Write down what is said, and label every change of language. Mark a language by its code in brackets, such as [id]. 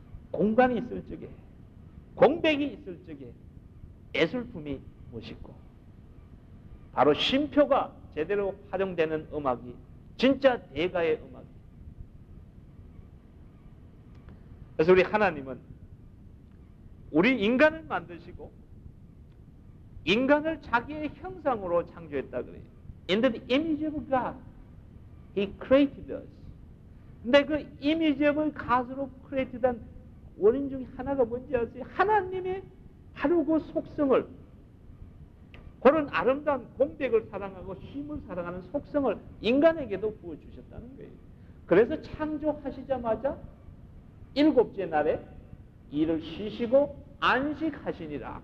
[ko] 공간이 있을 적에, 공백이 있을 적에 예술품이 멋있고, 바로 쉼표가 제대로 활용되는 음악이 진짜 대가의 음악이. 그래서 우리 하나님은 우리 인간을 만드시고 인간을 자기의 형상으로 창조했다 그래요. [en] In the image of God, He created us. [ko] 근데 그 [en] image of God [ko] 으로 created한 원인 중에 하나가 뭔지 아세요? 하나님의 바로 그 속성을, 그런 아름다운 공백을 사랑하고 쉼을 사랑하는 속성을 인간에게도 부어주셨다는 거예요. 그래서 창조하시자마자 일곱째 날에 일을 쉬시고 안식하시니라.